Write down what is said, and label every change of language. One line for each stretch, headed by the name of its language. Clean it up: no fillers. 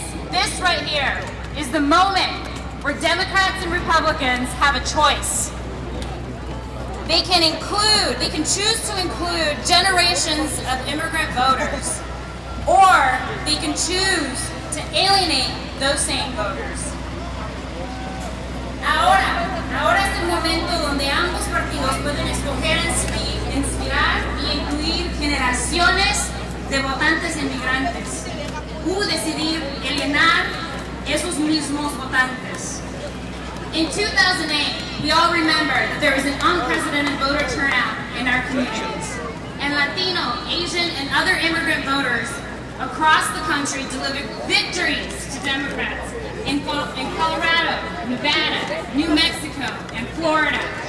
English: This right here is the moment where Democrats and Republicans have a choice. They can choose to include generations of immigrant voters, or they can choose to alienate those same voters.
Spanish: Ahora es el momento donde ambos partidos pueden escoger inspirar y incluir generaciones de votantes inmigrantes, o decidir alienar esos mismos votantes.
English: In 2008, we all remember that there was an unprecedented voter turnout in our communities. And Latino, Asian, and other immigrant voters across the country delivered victories to Democrats in Colorado, Nevada, New Mexico, and Florida.